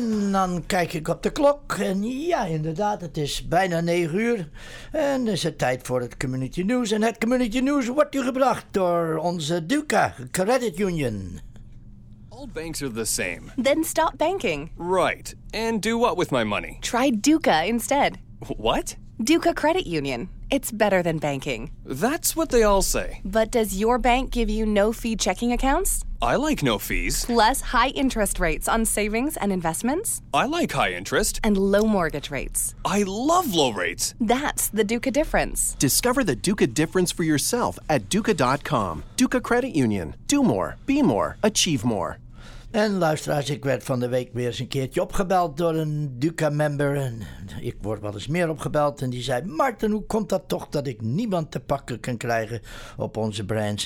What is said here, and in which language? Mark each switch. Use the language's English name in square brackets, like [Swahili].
[Dutch] Dan kijk ik op de klok en ja, inderdaad, het is bijna 9:00 en is het tijd voor het Community News. En het Community News wordt u gebracht door onze Duca Credit Union. [English] All banks are the same. Then stop banking. Right. And do what with my money? Try Duca instead. What? Duca Credit Union. It's better than banking. That's what they all say. But does your bank give you no-fee checking accounts? I like no fees. Less high interest rates on savings and investments? I like high interest. And low mortgage rates? I love low rates. That's the Duca difference. Discover the Duca difference for yourself at Duca.com. Duca Credit Union. Do more. Be more. Achieve more. [Dutch] En luisteraars, ik werd van de week weer eens een keertje opgebeld door een Duca-member. En ik word wel eens meer opgebeld. En die zei, Martin, hoe komt dat toch dat ik niemand te pakken kan krijgen op onze brands?